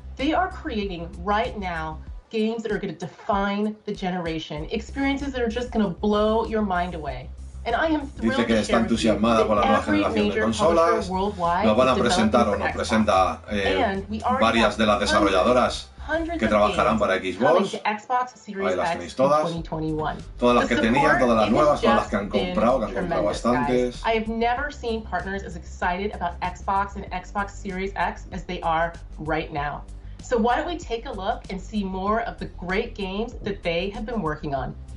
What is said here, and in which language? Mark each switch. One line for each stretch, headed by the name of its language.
English: They are creating right now games that are going to define the generation, experiences that are just going to blow your mind away.
Spanish: Dice que está entusiasmada con la nueva generación de consolas. Nos van a presentar o nos presenta varias de las desarrolladoras que trabajarán para Xbox. Ahí las tenéis todas. Todas las que tenía, todas las nuevas, todas las que han comprado bastantes.
English: I have never seen partners as excited about Xbox and Xbox Series X as they are right now. So why don't we take a look and see more of the great games that they have been working on.